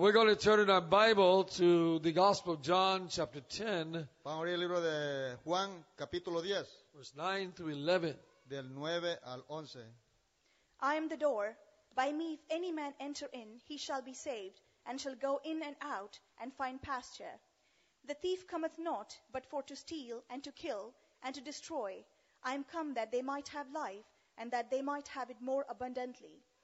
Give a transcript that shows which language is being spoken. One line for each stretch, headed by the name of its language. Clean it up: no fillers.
English: We're going to turn in our Bible to the Gospel of John, chapter 10.
Spanish: Vamos a abrir el libro de Juan, capítulo 10.
English: Verse 9 through 11.
Spanish: Del 9 al 11.
English: I am the door. By me, if any man enter in, he shall be saved, and shall go in and out, and find pasture. The thief cometh not, but for to steal, and to kill, and to destroy. I am come that they might have life, and that they might have it more abundantly.